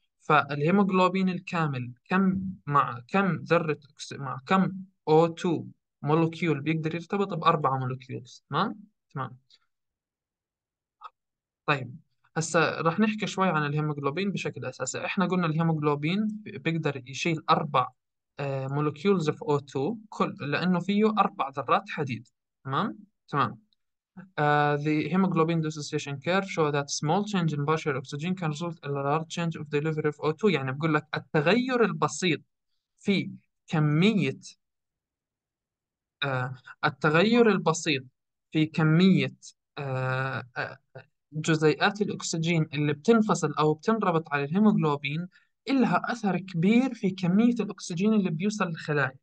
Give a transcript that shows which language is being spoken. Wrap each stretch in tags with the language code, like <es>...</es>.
<ar>فالهيموغلوبين الكامل كم مع كم ذرة مع كم O2 مولوكيول بيقدر يرتبط ب4 مولوكيولز. تمام. طيب هسا راح نحكي شوي عن الهيموغلوبين بشكل أساسي. إحنا قلنا الهيموغلوبين بيقدر يشيل 4 مولوكيولز في O2 كل، لأنه فيه 4 ذرات حديد. تمام.</ar> <en>The hemoglobin dissociation curve show that small change in partial oxygen can result in a large change of delivery of O2.</en> <ar>يعني بقول لك التغير البسيط في كمية التغير البسيط في كمية جزيئات الأكسجين اللي بتنفصل أو بتنربط على الهيموغلوبين إلها أثر كبير في كمية الأكسجين اللي بيوصل للخلايا.</ar>